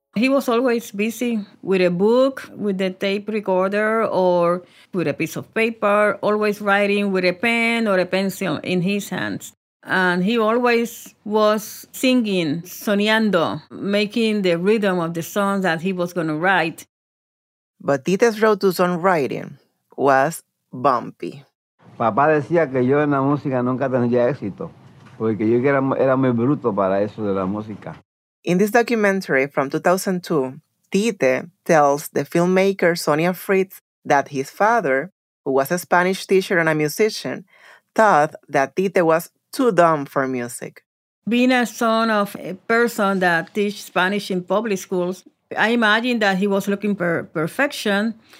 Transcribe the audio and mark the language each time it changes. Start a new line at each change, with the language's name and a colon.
English: He was always busy with a book, with a tape recorder, or with a piece of paper, always writing with a pen or a pencil in his hands. And he always was singing, soñando, making the rhythm of the songs that he was going to write. But Tite's road to songwriting was bumpy.
Spanish: Papá decía que yo en la música nunca tendría éxito, porque yo era muy bruto para eso de la música.
English: In this documentary from 2002, Tite tells the filmmaker Sonia Fritz that his father, who was a Spanish teacher and a musician, thought that Tite was too dumb for music. Being a son of a person that teach Spanish in public schools, I imagine that he was looking for perfection.